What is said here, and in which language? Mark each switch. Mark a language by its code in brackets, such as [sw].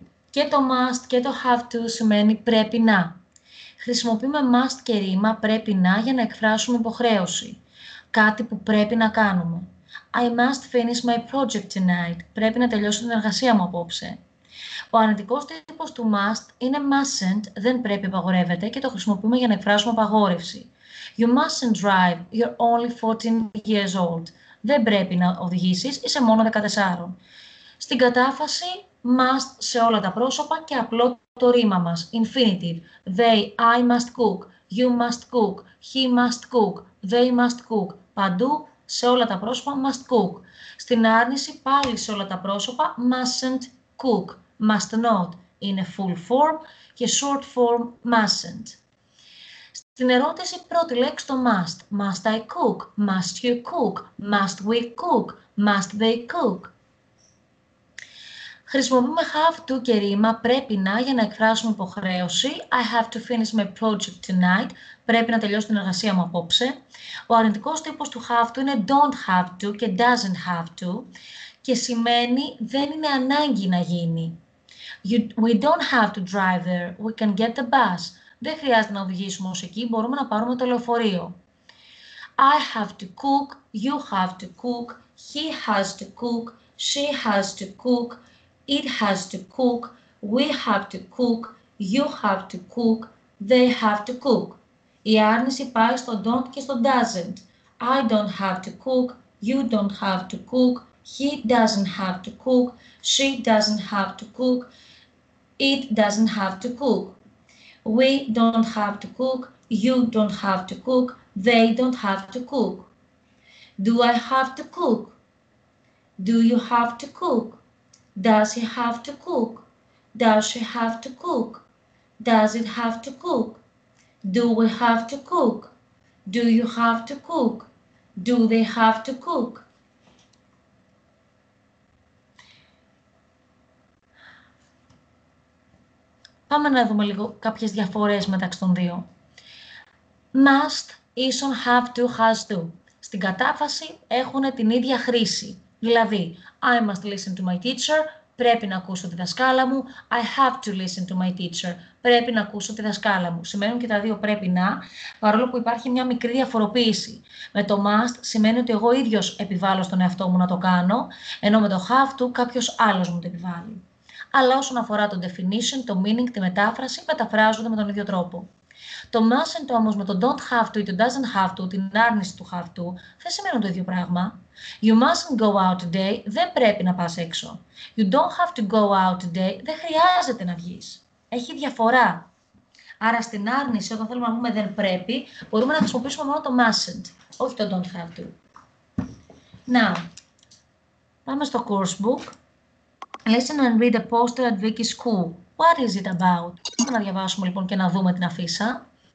[el] Και το must και το have to σημαίνει πρέπει να. Χρησιμοποιούμε must και ρήμα πρέπει να για να εκφράσουμε υποχρέωση. Κάτι που πρέπει να κάνουμε. [en] I must finish my project tonight. [el] Πρέπει να τελειώσω την εργασία μου απόψε. Ο αρνητικός τύπος του must είναι mustn't, δεν πρέπει, απαγορεύεται και το χρησιμοποιούμε για να εκφράσουμε απαγόρευση. [en] You mustn't drive, you're only 14 years old. [el] Δεν πρέπει να οδηγήσεις, είσαι μόνο 14. Στην κατάφαση, must σε όλα τα πρόσωπα και απλό το ρήμα μας, infinitive. [en] They, I must cook, you must cook, he must cook, they must cook. [el] Παντού, σε όλα τα πρόσωπα, must cook. Στην άρνηση, πάλι σε όλα τα πρόσωπα, mustn't cook. [en] Must not είναι full form και short form mustn't. [el] Στην ερώτηση πρώτη λέξη το must. [en] Must I cook? Must you cook? Must we cook? Must they cook? [el] Χρησιμοποιούμε have to και ρήμα πρέπει να για να εκφράσουμε υποχρέωση. [en] I have to finish my project tonight. [el] Πρέπει να τελειώσω την εργασία μου απόψε. Ο αρνητικός τύπος του have to είναι don't have to και doesn't have to. Και σημαίνει δεν είναι ανάγκη να γίνει. [en] We don't have to drive there. We can get the bus. [el] Δεν χρειάζεται να οδηγήσουμε ως εκεί. Μπορούμε να πάρουμε το λεωφορείο. [en] I have to cook. You have to cook. He has to cook. She has to cook. It has to cook. We have to cook. You have to cook. They have to cook. [el] Η άρνηση πάει στο don't και στο doesn't. [en] I don't have to cook. You don't have to cook. He doesn't have to cook, she doesn't have to cook, it doesn't have to cook. We don't have to cook, you don't have to cook, they don't have to cook. Do I have to cook? Do you have to cook? Does he have to cook? Does she have to cook? Does it have to cook? Do we have to cook? Do you have to cook? Do they have to cook? [el] Πάμε να δούμε λίγο κάποιες διαφορές μεταξύ των δύο. Must, ison, have to, has to. Στην κατάφαση έχουν την ίδια χρήση. Δηλαδή, [en] I must listen to my teacher, [el] πρέπει να ακούσω τη δασκάλα μου. [en] I have to listen to my teacher, [el] πρέπει να ακούσω τη δασκάλα μου. Σημαίνουν και τα δύο πρέπει να, παρόλο που υπάρχει μια μικρή διαφοροποίηση. Με το must σημαίνει ότι εγώ ίδιος επιβάλλω στον εαυτό μου να το κάνω, ενώ με το have to κάποιος άλλος μου το επιβάλλει. Αλλά όσον αφορά το definition, το meaning, τη μετάφραση, μεταφράζονται με τον ίδιο τρόπο. Το mustn't όμως με το don't have to ή το doesn't have to, την άρνηση του have to, δεν σημαίνουν το ίδιο πράγμα. [en] You mustn't go out today, [el] δεν πρέπει να πας έξω. [en] You don't have to go out today, [el] δεν χρειάζεται να βγεις. Έχει διαφορά. Άρα στην άρνηση, όταν θέλουμε να πούμε δεν πρέπει, μπορούμε να χρησιμοποιήσουμε μόνο το mustn't, όχι το don't have to. [en] Now, [el] πάμε στο [en] course book. Listen and read a poster at Vicky's school. What is it about? [el] Πάμε να διαβάσουμε λοιπόν και να δούμε την αφίσα.